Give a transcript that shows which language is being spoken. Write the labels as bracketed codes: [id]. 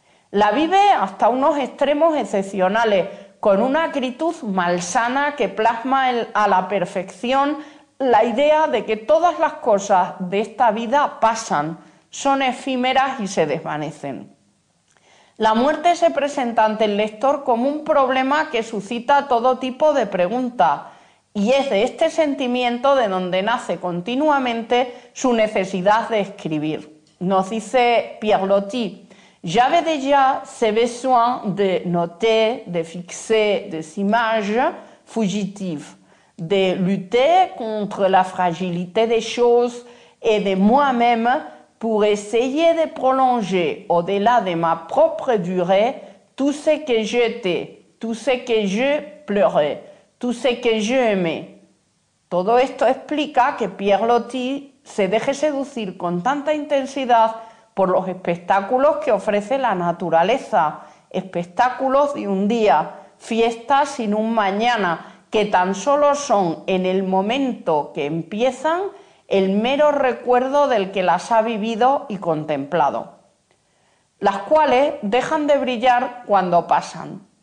[es] La vive hasta unos extremos excepcionales, con una acritud malsana que plasma a la perfección la idea de que todas las cosas de esta vida pasan, son efímeras y se desvanecen. La muerte se presenta ante el lector como un problema que suscita todo tipo de preguntas y es de este sentimiento de donde nace continuamente su necesidad de escribir. Nos dice Pierre Loti: [fr] «J'avais déjà ce besoin de noter, de fixer des images fugitives, de lutter contre la fragilité des choses et de moi-même pour essayer de prolonger au-delà de ma propre durée tout ce que j'étais, tout ce que je pleurais, tout ce que j'aimais». [es] Todo esto explica que Pierre Loti se deje seducir con tanta intensidad por los espectáculos que ofrece la naturaleza, espectáculos de un día, fiestas sin un mañana, que tan solo son, en el momento que empiezan, el mero recuerdo del que las ha vivido y contemplado, las cuales dejan de brillar cuando pasan.